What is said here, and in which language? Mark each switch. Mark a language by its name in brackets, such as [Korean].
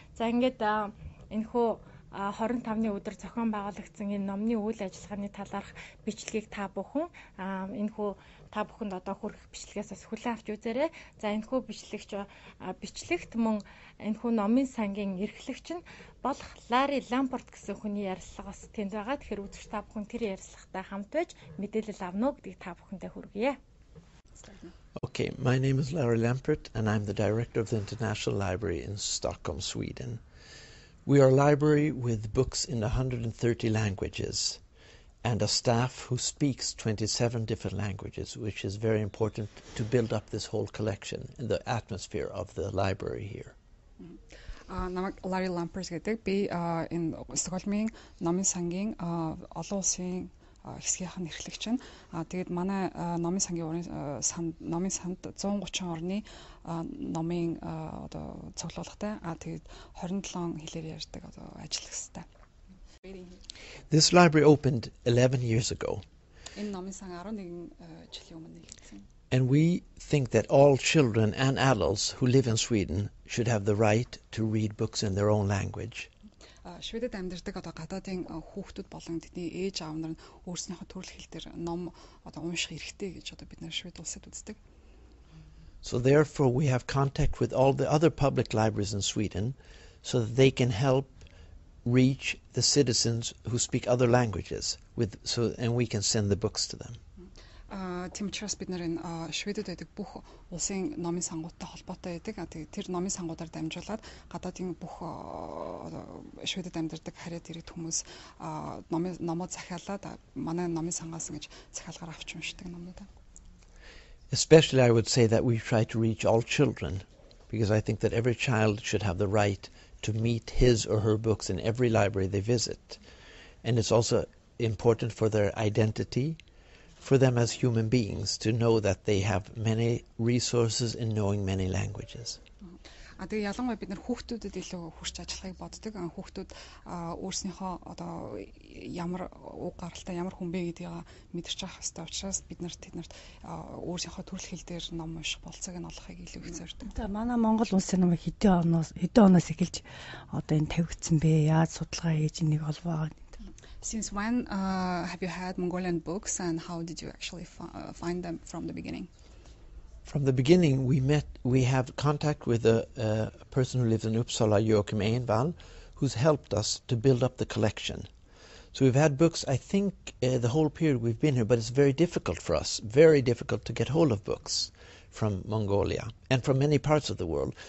[Mongolian] За ингээд энэхүү 25-ны өдөр зохион байгуулагдсан энэ номны үйл ажиллагааны талаарх бичлэгийг та бүхэн энэхүү та бүхэнд одоо хүргэх бичлэгээс бас хүлээн авч үзээрэй. За энэхүү бичлэгт мөн энэхүү номын сангийн эрхлэгч нь болох Лари Лампорт гэсэн хүний ярилцлага бас тэнд байгаа. Тэгэхээр үзвэр та бүхэн тэр ярилцлагатай хамт байж мэдээлэл авна уу гэдэг та бүхэндээ хүргэе. [English] Okay, my name is Larry Lampert and I'm the director of the International Library in Stockholm, Sweden. We are a library with books in 130 languages and a staff who speaks 27 different languages, which is very important to build up this whole collection and the atmosphere of the library here. [Mongolian] Намайг Larry Lampert гэдэг. Би энэ Стокгольмын номын сангийн олон улсын хэсгийнхэн эрхлэгч нь. Тэгээд манай номын сангийн санд номын санд 130 орны номын одоо цуглуулгатай. Тэгээд 27 хэлээр ярьдаг одоо ажиллагчтай. [English] This library opened 11 years ago. [Mongolian] Энэ номын сан 11 жилийн өмнө нэгдсэн. [English] And we think that all children and adults who live in Sweden should have the right to read books in their own language. [Mongolian] Шведэд амьдардаг одоо гадаадын хүүхдүүд болон тэдний ээж аав нар нь өөрснийхөө төрөл хэл дээр ном одоо унших эрхтэй гэж одоо бид нар Швед улсад үздэг. [English] So therefore we have contact with all the other public libraries in Sweden so that they can help reach the citizens who speak other languages with so and we can send the books to them. [Mongolian] Тийм учраас бид нар энэ Шведэд байдаг бүх улсын номын сангуудтай холбоотой байдаг. Тэгээд тэр номын сангуудаар дамжуулаад гадаадын бүх Шведэд амьдардаг хариад ирээд хүмүүс номоо захиалаад манай номын сангаас ингэж захиалгаар авч уншдаг номнууд. [English] Especially I would say that we try to reach all children because I think that every child should have the right to meet his or her books in every library they visit. And it's also important for their identity. For them as human beings to know that they have many resources in knowing many languages. [Mongolian] А тэгээ ялангуяа бид нар хүүхдүүдэд илүү хурц ажиллахыг боддог. Хүүхдүүд өөрснийхөө одоо ямар уг гаралтай ямар хүн бэ гэдгийг мэдэрч авах хэрэгтэй учраас бид нар тэднэрт өөрснийхөө төрөл хэл дээр ном унших болцоог нь олохыг илүү их зорддог. Тэгээ манай Монгол улсын ном хэдэн оноос эхэлж одоо энэ тавигдсан бэ? Яаж судалгаа хийж нэг ол байгаа? [English] Since when have you had Mongolian books and how did you actually find them from the beginning? From the beginning, we have contact with a person who lives in Uppsala, Joachim Einval, who's helped us to build up the collection. So we've had books, I think, the whole period we've been here, but it's very difficult for us, very difficult to get hold of books from Mongolia and from many parts of the world.